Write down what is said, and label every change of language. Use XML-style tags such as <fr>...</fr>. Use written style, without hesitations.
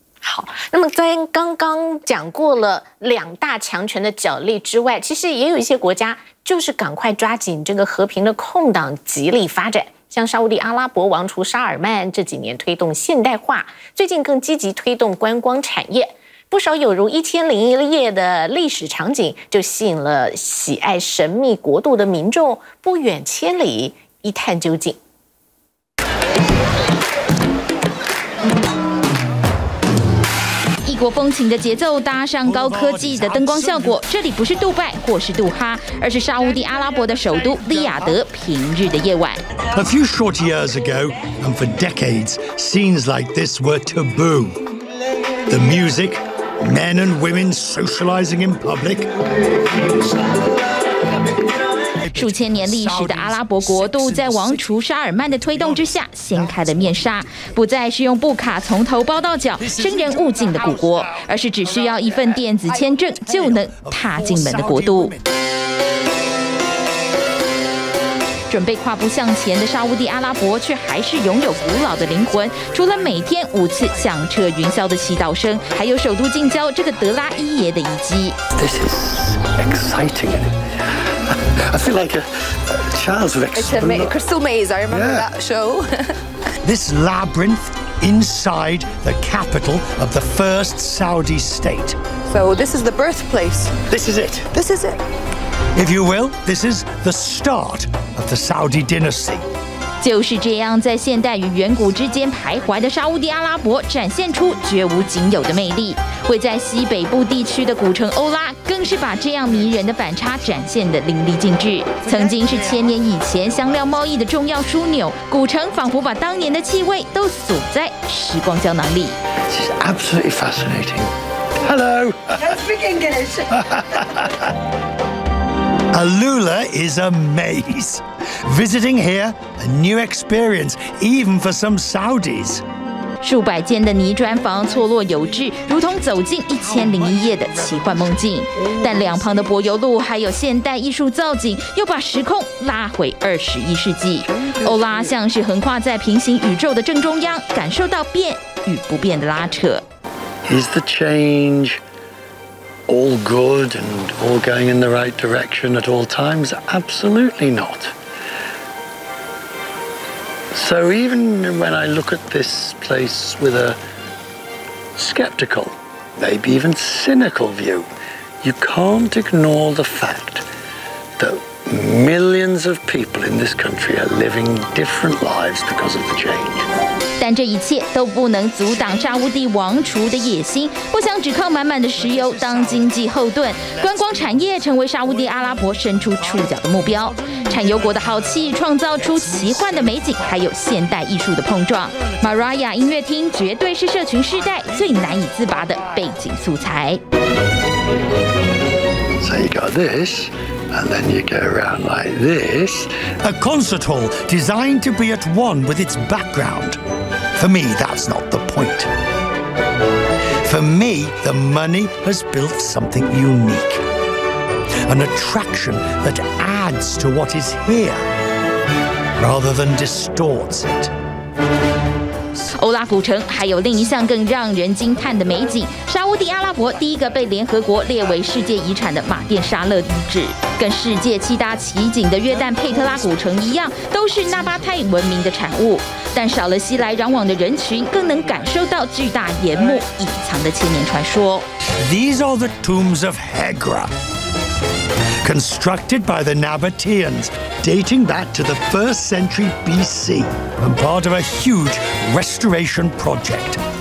<zh>好，那么在刚刚讲过了两大强权的角力之外，其实也有一些国家就是赶快抓紧这个和平的空档极力发展，像沙地阿拉伯王储沙尔曼这几年推动现代化，最近更积极推动观光产业，不少有如一千零一夜的历史场景就吸引了喜爱神秘国度的民众不远千里一探究竟。异国风情的节奏搭上高科技的灯光效果，这里不是杜拜或是杜哈，而是沙烏地阿拉伯的首都利雅得平日的夜晚。</zh> <en>A few short years ago, and for decades, scenes like this were taboo. The music, men and women socializing in public.</en> <zh>数千年历史的阿拉伯国度在王储沙尔曼的推动之下掀开了面纱，不再是用布卡从头包到脚生人勿近的古国，而是只需要一份电子签证就能踏进门的国度。准备跨步向前的沙烏地阿拉伯却还是拥有古老的灵魂，除了每天五次响彻云霄的祈祷声，还有首都近郊这个德拉伊耶的遗迹。</zh> <en>This is excitingI feel like a child's rex. It's a crystal maze. I remember that show. This labyrinth inside the capital of the first Saudi state. So this is the birthplace. This is it. This is it. If you will, this is the start of the Saudi dynasty.</en> <zh>就是这样，在现代与远古之间徘徊的沙烏地阿拉伯展现出绝无仅有的魅力，位在西北部地区的古城欧拉更是把这样迷人的反差展现得淋漓尽致。曾经是千年以前香料贸易的重要枢纽，古城仿佛把当年的气味都锁在时光胶囊里。</zh> <en>This is absolutely fascinating. Hello. Let's speak English. Alula is a maze. Visiting here, a new experience, even for some Saudis.</en> <zh>数百间的泥砖房错落有致，如同走进一千零一夜的奇幻梦境。但两旁的柏油路还有现代艺术造景，又把时空拉回二十一世纪。欧拉像是横跨在平行宇宙的正中央，感受到变与不变的拉扯。</zh> <en>Is the change all good and all going in the right direction at all times? Absolutely not. So even when I look at this place with a skeptical, maybe even cynical view, you can't ignore the fact that millions millions of people in this country are living different lives because of the change.</en> <zh>但这一切都不能阻挡沙乌地王储的野心，不想只靠满满的石油当经济后盾，观光产业成为沙乌地阿拉伯伸出触角的目标。产油国的豪气创造出奇幻的美景，还有现代艺术的碰撞。 Mariah音乐厅绝对是社群世代最难以自拔的背景素材。</zh> <en>So you got this, and then you go around like this. A concert hall designed to be at one with its background. For me, that's not the point. For me, the money has built something unique. An attraction that adds to what is here, rather than distorts it.</en> <zh>欧拉古城还有另一项更让人惊叹的美景，沙乌地阿拉伯第一个被联合国列为世界遗产的马甸沙勒遗址，跟世界七大奇景的约旦佩特拉古城一样，都是纳巴泰文明的产物，但少了熙来攘往的人群，更能感受到巨大岩墓隐藏的千年传说。</zh> <en>These are the tombs of Hegra, constructed by the Nabataeans. Dating back to the first century BC and part of a huge restoration project.</en>